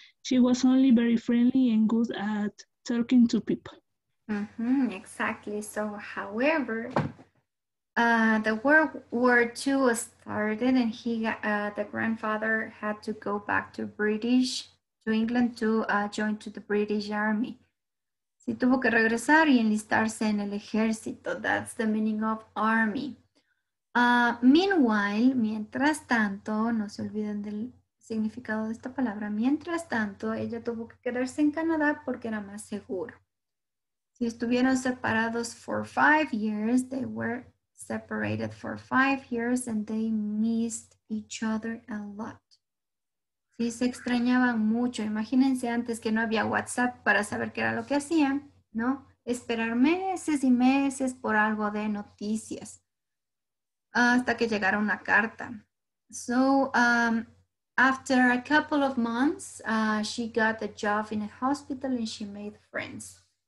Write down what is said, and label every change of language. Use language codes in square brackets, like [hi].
[en] She was only very friendly and good at talking to people. Mm-hmm, exactly. So, however, the World War II started and the grandfather had to go back to England to join the British Army. [es] Sí, tuvo que regresar y enlistarse en el ejército. [en] That's the meaning of army. [es] Meanwhile, mientras tanto, no se olviden del significado de esta palabra, mientras tanto, ella tuvo que quedarse en Canadá porque era más seguro. Si estuvieron separados [en] for 5 years, they were separated for 5 years and they missed each other a lot. [es] Sí, se extrañaban mucho. Imagínense antes que no había WhatsApp para saber qué era lo que hacían, ¿no? Esperar meses y meses por algo de noticias hasta que llegara una carta. [en] So, after a couple of months, she got a job in a hospital and she made friends.